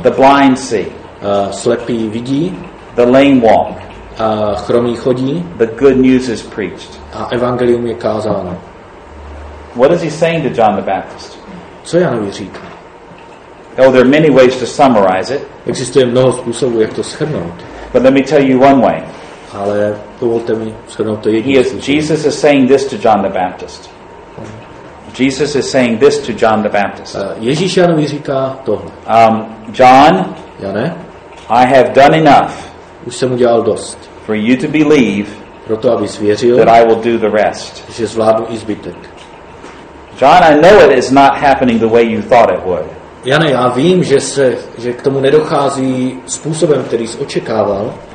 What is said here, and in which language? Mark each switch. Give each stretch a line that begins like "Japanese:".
English: The blind see.
Czech: Slepí vidí.
English: The lame walk.
Czech: A chromí chodí.
English: The good news is preached.
Czech: A evangelium je kázáno.
English: What is he saying to John the Baptist?
Czech: Co Janovi říká?
English: Oh, there are many ways to summarize it.
Czech: Existuje mnoho způsobů, jak to shrnout.
English: But let me tell you one way.
Czech: Ale dovolte mi shrnout to jediný způsob.
English: Jesus is saying this to John the Baptist. Jesus is saying this to John the Baptist.
Czech: Ježíš Janovi říká tohle.
English: John,
Czech: Jane,
English: I have done enough.
Czech: Už jsem udělal dost.
English: For you to believe,
Czech: proto abys věřil,
English: that I will do the rest.
Czech: Že zvládnu i zbytek.
English: John, I know it is not happening the way you thought it would.
Czech: Jane, já vím, že k tomu nedochází způsobem, který jsi očekával.